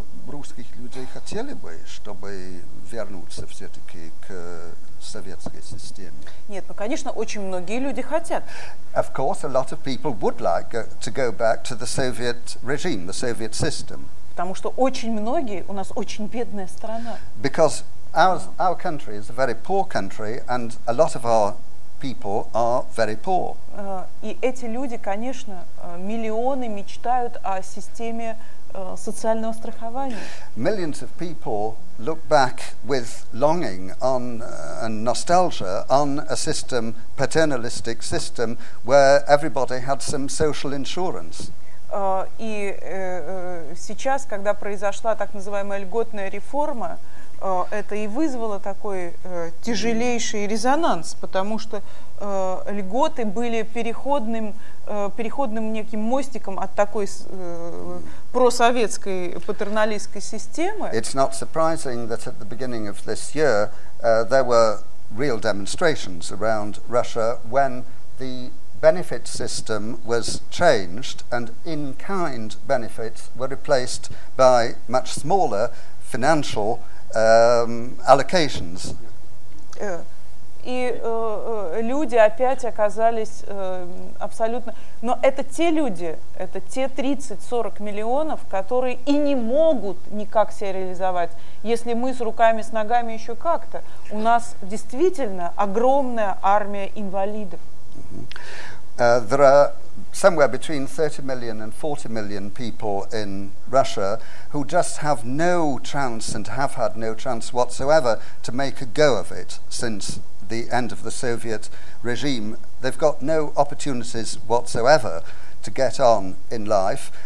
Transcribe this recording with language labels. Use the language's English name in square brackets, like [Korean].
[Russian] Русских людей хотели бы, чтобы вернуться все-таки к советской системе? Нет, ну, конечно, очень многие люди хотят. [English] Of course, a lot of people would like to go back to the Soviet regime, the Soviet system. [Russian] Потому что очень многие, у нас очень бедная страна. [English] Because our country is a very poor country, and a lot of our people are very poor. [Russian] И эти люди, конечно, миллионы мечтают о системе социального страхования. [English] Millions of people look back with longing on and nostalgia on a system, paternalistic system, where everybody had some social insurance. [Russian] И сейчас, когда произошла так называемая льготная реформа, это и вызвало такой тяжелейший резонанс, потому что льготы были переходным неким мостиком от такой просоветской патерналистской системы. [English] It's not surprising that at the beginning of this year there were real demonstrations around Russia when the benefit system was changed and in-kind benefits were replaced by much smaller financial allocations. [Russian] И люди опять оказались абсолютно... Но это те люди, это те 30-40 миллионов, которые и не могут никак себя реализовать, если мы с руками, с ногами еще как-то. У нас действительно огромная армия инвалидов. [English] There are somewhere between 30 million and 40 million people in Russia who just have no chance and have had no chance whatsoever to make a go of it since the end of the Soviet regime. They've got no opportunities whatsoever to get on in life.